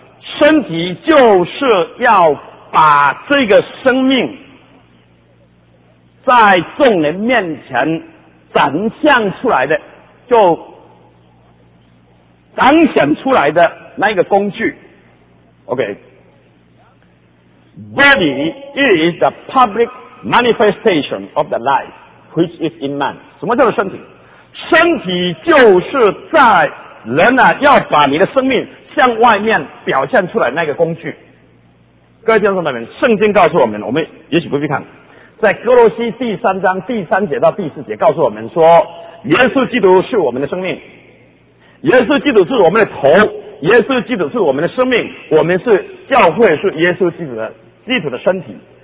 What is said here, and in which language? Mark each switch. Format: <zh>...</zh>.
<zh>身体就是要把这个生命在众人面前展现出来的，就展现出来的那个工具。</zh> <en>OK， Body is the public manifestation of the life which is in man。</en> <zh>什么叫做身体？身体就是在人啊，要把你的生命向外面表现出来那个工具。各位听众朋友们，圣经告诉我们，我们也许不必看，在哥罗西第三章第三节到第四节告诉我们说，耶稣基督是我们的生命，耶稣基督是我们的头，耶稣基督是我们的生命，我们是教会，是耶稣基督的身体。</zh>